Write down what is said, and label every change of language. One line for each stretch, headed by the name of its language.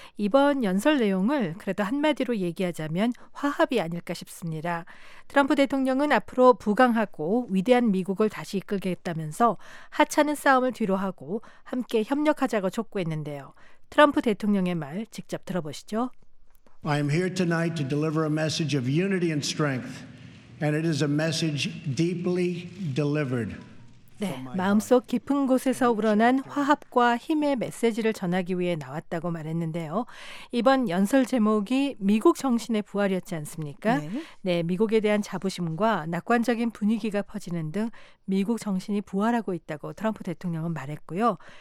Korean: 이번 연설 내용을 그래도 한마디로 얘기하자면 화합이 아닐까 싶습니다. 트럼프 대통령은 앞으로 부강하고 위대한 미국을 다시 이끌겠다면서 하찮은 싸움을 뒤로하고 함께 협력하자고 촉구했는데요. 트럼프 대통령의 말 직접 들어보시죠.
English: I am here tonight to deliver a message of unity and strength, and it is a message deeply delivered.
Korean: 네, 마음속 깊은 곳에서 우러난 화합과 힘의 메시지를 전하기 위해 나왔다고 말했는데요. 이번 연설 제목이 미국 정신의 부활이었지 않습니까? 네. 네, 미국에 대한 자부심과 낙관적인 분위기가 퍼지는 등 미국 정신이 부활하고 있다고 트럼프 대통령은 말했고요.